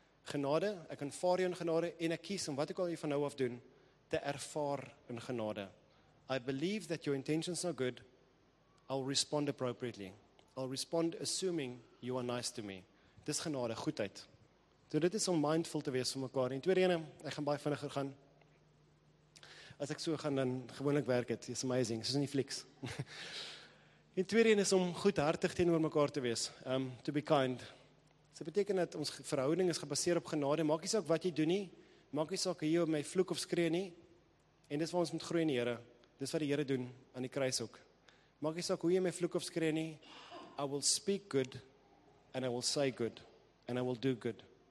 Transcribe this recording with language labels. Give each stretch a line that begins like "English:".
Afrikaans: Genade, ek aanvaar jou in genade, en ek kies om wat ek al jy van nou af doen, te ervaar in genade.
English: I believe that your intentions are good, I'll respond appropriately. I'll respond assuming you are nice to me.
Afrikaans: Dis genade, goedheid. So dit is om mindful te wees van mekaar. En tweede ene, ek gaan baie vinniger gaan. As ek so gaan, dan gewoonlik werk het.
English: It's amazing,
Afrikaans: soos in die flex. En tweede ene is om goedhartig teenoor mekaar te wees.
English: To be kind.
Afrikaans: Dit beteken dat ons verhouding is gebaseer op genade. Maak nie saak wat jy doen nie. Maak nie saak hier op my vloek of skree nie. En dis waar ons moet groei in die Here. Dis wat die Here doen aan die kruis ook. Maak nie saak hoe jy my vloek of skree nie.
English: I will speak good and I will say good and I will do good.